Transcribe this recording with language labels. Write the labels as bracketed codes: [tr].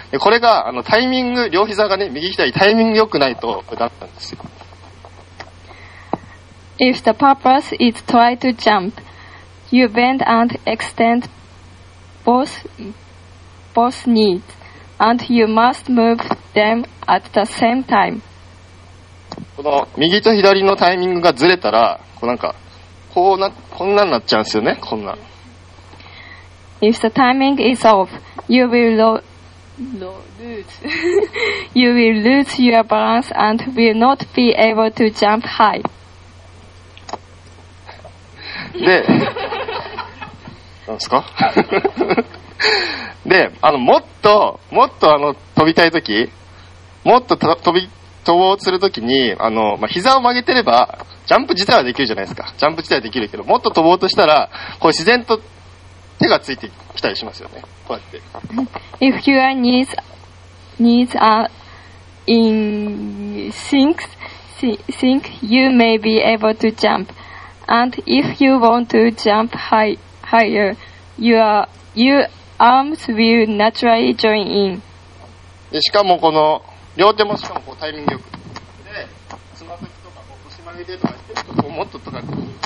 [ja] これが、タイミング、両膝がね、右左、タイミング良くないと、だったんですよ。 [en] If the purpose is try to jump, you bend and extend both kneesAnd you must move them at the same time. [ja] この右と左のタイミングがずれたら、こうなんかこうな、こんなになっちゃうんですよね、こんな。 [en] If the timing is off, you will lose. you will lose your balance and will not be able to jump high. [ja] で、なんですか？で、もっと飛びたいとき、もっと飛ぼうとするときに、膝を曲げてれば、ジャンプ自体はできるじゃないですか。ジャンプ自体はできるけど、もっと飛ぼうとしたら、こう自然と手がついてきたりしますよね。こうやって。 [en] If your knees are, in sync, sync, you may be able to jump. And if you want to jump higher, your arms will naturally join in. [ja] でしかもこの両手もしかもこうタイミングよくでつま先とかこう腰曲げてとかしてちょっともっと高く。